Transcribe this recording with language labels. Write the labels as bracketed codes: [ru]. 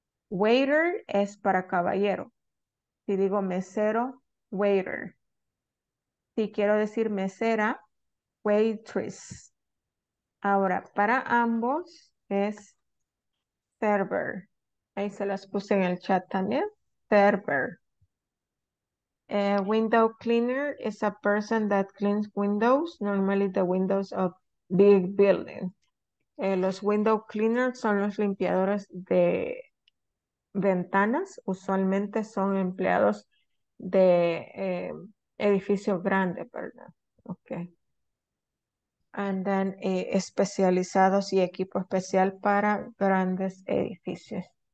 [es] Waiter es para caballero. Si digo mesero, waiter. Si quiero decir mesera, waitress. Ahora, para ambos es server. Ahí se las puse en el chat también. [en] Server. A window cleaner is a person that cleans windows, normally the windows of big buildings. [es] Los window cleaners son los limpiadores de ventanas, usualmente son empleados de edificios grandes, ¿verdad? [en] Okay. And then [es] especializados y equipo especial para grandes edificios.